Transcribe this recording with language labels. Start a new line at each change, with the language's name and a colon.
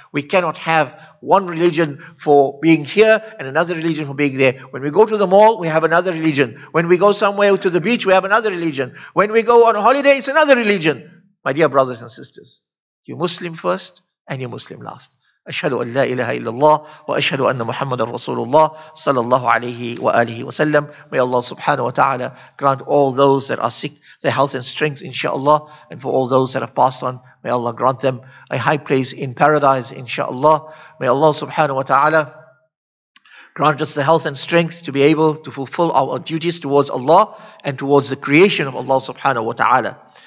English: We cannot have one religion for being here and another religion for being there. When we go to the mall, we have another religion. When we go somewhere to the beach, we have another religion. When we go on holiday, it's another religion. My dear brothers and sisters, you Muslim first and you Muslim last.
Arabic: أشهد أن لا إله إلا الله وأشهد أن محمد رسول الله صلى الله عليه وآله وسلم.
English: May Allah subhanahu wa ta'ala grant all those that are sick their health and strength, inshallah. And for all those that have passed on, may Allah grant them a high place in paradise, inshallah. May Allah subhanahu wa ta'ala grant us the health and strength to be able to fulfill our duties towards Allah and towards the creation of Allah subhanahu wa ta'ala.